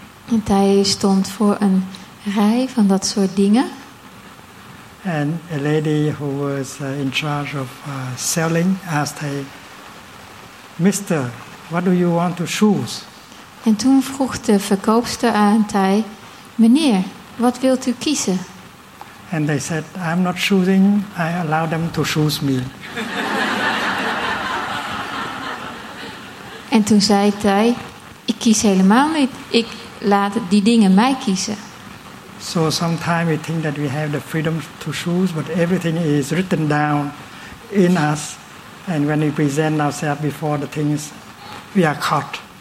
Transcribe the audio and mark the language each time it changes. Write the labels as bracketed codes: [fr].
[nl] En hij stond voor een rij van dat soort dingen. [en] And a lady who was in charge of selling asked her, "Mister, what do you want to choose?" [nl] En toen vroeg de verkoopster aan Tai, "Meneer, wat wilt u kiezen?" [en] And they said, "I'm not choosing, I allow them to choose me." [nl] En toen zei Tai, "Ik kies helemaal niet, ik laat die dingen mij kiezen." [en] So sometimes we think that we have the freedom to choose, but everything is written down in us, and when we present ourselves before the things, we are caught.